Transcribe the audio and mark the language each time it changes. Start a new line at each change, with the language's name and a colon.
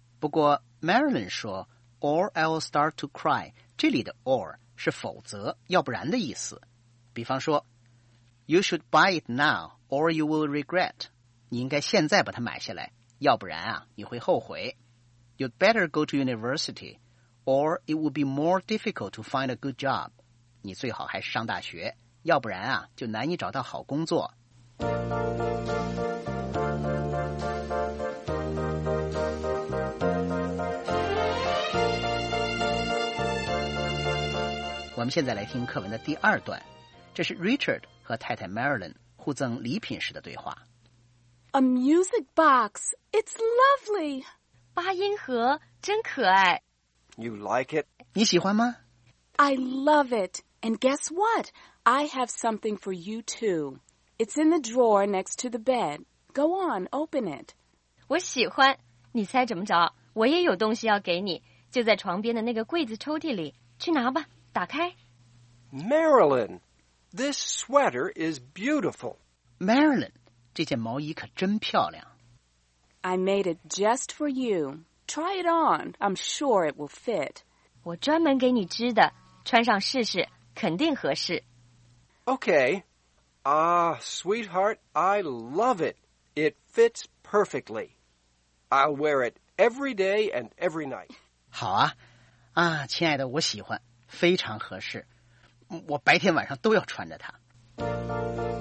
Chinese: 不过 Marilyn 说。
English: Or I'll start to cry.
Chinese: 这里的 or 是否则、要不然的意思。比方说
English: ，You should buy it now, or you will regret.
Chinese: 你应该现在把它买下来，要不然啊，你会后悔。
English: You'd better go to university, or it would be more difficult to find a good job.
Chinese: 你最好还是上大学，要不然啊，就难以找到好工作。我们现在来听课文的第二段，这是 Richard 和太太 Marilyn 互赠礼品时的对话。
English: A music box, it's lovely.
Chinese: 八音盒真可爱。
English: You like it?
Chinese: 你喜欢吗？
English: I love it. And guess what? I have something for you too. It's in the drawer next to the bed. Go on, open it.
Chinese: 我喜欢。你猜怎么着？我也有东西要给你，就在床边的那个柜子抽屉里。去拿吧。打开。
English: Marilyn, this sweater is beautiful.
Chinese: Marilyn, 这件毛衣可真漂亮。
English: I made it just for you. Try it on. I'm sure it will fit.
Chinese: 我专门给你织的，穿上试试，肯定合适。
English: Okay. Ah, sweetheart, I love it. It fits perfectly. I'll wear it every day and every night.
Chinese: 好啊。啊，亲爱的，我喜欢。非常合适，我白天晚上都要穿着它。